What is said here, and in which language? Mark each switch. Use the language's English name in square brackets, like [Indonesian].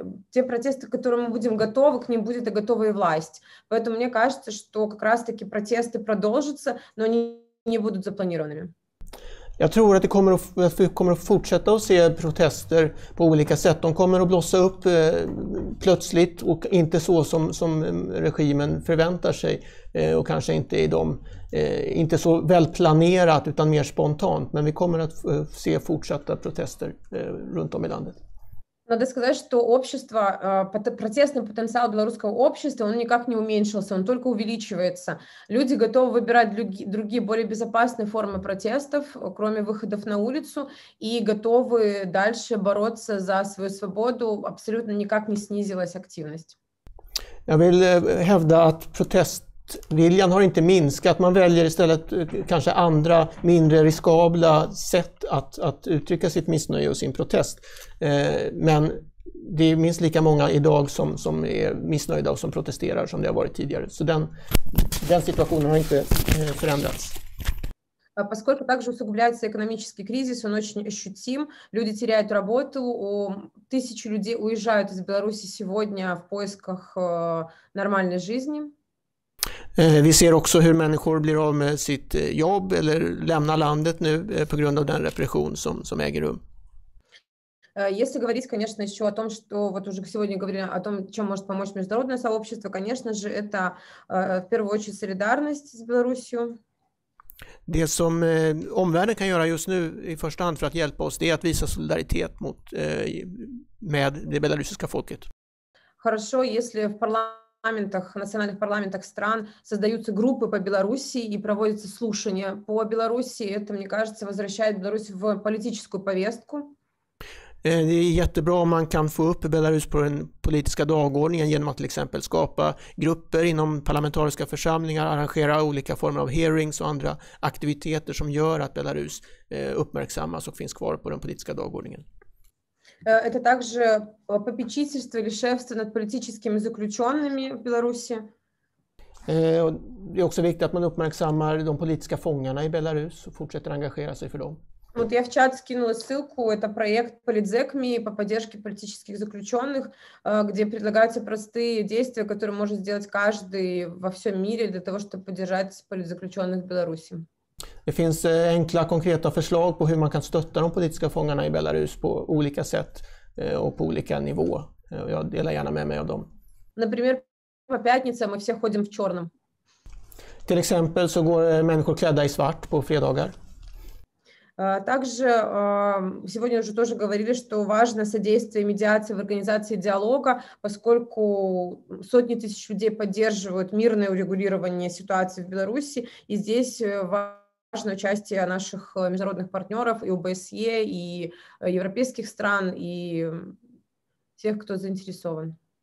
[Russian] Те протесты, к которым мы будем готовы, к ним будет и готова и власть. Поэтому мне кажется, что как раз-таки протесты продолжатся, но они не будут запланированными. [Swedish] Jag tror att vi kommer att fortsätta att se protester på olika sätt. De kommer att blossa upp plötsligt och inte så som regimen förväntar sig. Och kanske inte i dem, inte så välplanerat utan mer spontant. Men vi kommer att se fortsatta protester runt om i landet. [Russian] Надо сказать, что общество, протестный потенциал белорусского общества, он никак не уменьшился, он только увеличивается. Люди готовы выбирать другие, более безопасные формы протестов, кроме выходов на улицу, и готовы дальше бороться за свою свободу. Абсолютно никак не снизилась активность. [Swedish] Я vill hävda att protestviljan har inte minskat. Man väljer istället kanske andra, mindre riskabla sätt att uttrycka sitt missnöje och sin protest. Men det är minst lika många idag som är missnöjda och som protesterar som det har varit tidigare. Så den situationen har inte förändrats. [Russian] Поскольку также усугубляется экономический кризис, он очень ощутим. Люди теряют работу, тысячи людей уезжают из Беларуси сегодня в поисках нормальной жизни. [Swedish] Vi ser också hur människor blir av med sitt jobb eller lämnar landet nu på grund av den repression som äger rum. [Russian] Если говорить, конечно, еще о том, что вот уже сегодня говорили о том, чем может помочь международное сообщество, конечно же, это в первую очередь солидарность с Беларусью. [Swedish] Det som omvärlden kan göra just nu i första hand för att hjälpa oss, det är att visa solidaritet med det belarusiska folket. [Russian] Хорошо, если в парламентах, национальных парламентах стран создаются группы по Беларуси и проводятся слушания по Беларуси, это, мне кажется, возвращает Беларусь в политическую повестку. [Swedish] Det är jättebra om man kan få upp Belarus på den politiska dagordningen genom att till exempel skapa grupper inom parlamentariska församlingar, arrangera olika former av hearings och andra aktiviteter som gör att Belarus uppmärksammas och finns kvar på den politiska dagordningen. Det är också [Russian] попечительство eller шефство над политическими заключенными в Беларуси. [Swedish] Det är också viktigt att man uppmärksammar de politiska fångarna i Belarus och fortsätter engagera sig för dem. [Russian] Вот я в чат скинула ссылку, это проект Политзекми по поддержке политических заключенных, где предлагаются простые действия, которые может сделать каждый во всем мире для того, чтобы поддержать политзаключенных в Беларуси. [Swedish] Det finns enkla konkreta förslag på hur man kan stötta de politiska fångarna i Belarus på olika sätt och på olika nivå. Jag delar gärna med mig av dem. [Russian] Например, по пятницам мы все ходим в черном. [Swedish] Till exempel så går människor klädda i svart på fredagar. [Russian] Также сегодня уже тоже говорили, что важно содействие медиации в организации диалога, поскольку сотни тысяч людей поддерживают мирное урегулирование ситуации в Беларуси, и здесь важно участие наших международных партнеров и ОБСЕ, и европейских стран, и всех, кто заинтересован.